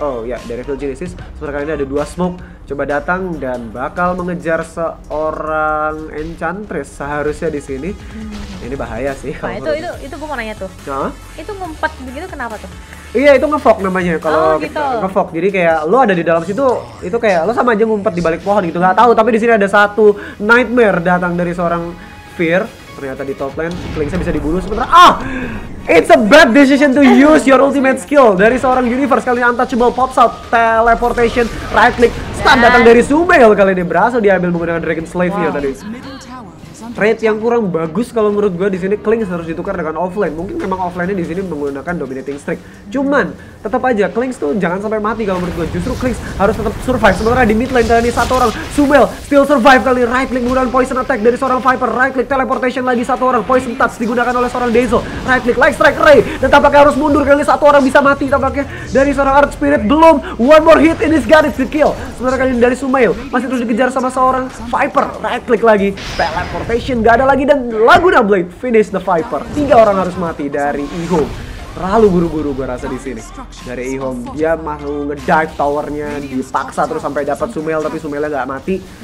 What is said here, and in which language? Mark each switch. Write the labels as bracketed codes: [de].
[id] Oh ya, dari Evil Genesis. Sementara kali ini ada dua smoke coba datang dan bakal mengejar seorang enchantress seharusnya di sini. Ini bahaya sih. Nah, itu gue mau nanya tuh. Hah? Itu ngumpet begitu kenapa tuh? Iya, itu ngefog namanya. Kalau ngefog, jadi kayak lo ada di dalam situ, itu kayak lo sama aja ngumpet di balik pohon gitu. Gak tahu, tapi di sini ada satu nightmare datang dari seorang Fear. Ternyata di top lane, Klingsnya bisa dibunuh sebentar. Ah! [en] It's a bad decision to use your ultimate skill. [id] Dari seorang universe, kali ini [en] untouchable pops out. [id] Teleportation, right click, stun datang dari Sumail kali ini. Berhasil diambil menggunakan Dragon Slave-nya tadi. Rate yang kurang bagus kalau menurut gue di sini Klings harus ditukar dengan offline. Mungkin memang offline-nya di sini menggunakan dominating streak. Cuman tetap aja Klings tuh jangan sampai mati kalau menurut gue. Justru Klings harus tetap survive. Sementara di mid lane kali ini satu orang Sumail [en] still survive [id] kali. Right click menggunakan poison attack dari seorang Viper. Right click teleportation lagi satu orang. Poison touch digunakan oleh seorang Dazzle. Right click light strike Ray. Dan tampaknya harus mundur kali ini satu orang bisa mati tampaknya dari seorang Arch Spirit. Belum [en] one more hit in his got it to kill. [id] Sementara kali ini dari Sumail masih terus dikejar sama seorang Viper. Right click lagi teleportation. Gak ada lagi dan Laguna Blade [en] finish the Viper. [id] Tiga orang harus mati dari Ihom. Terlalu buru-buru gue rasa di sini. Dari Ihom dia mau ngedive towernya, dipaksa terus sampai dapat Sumail tapi Sumailnya nggak mati.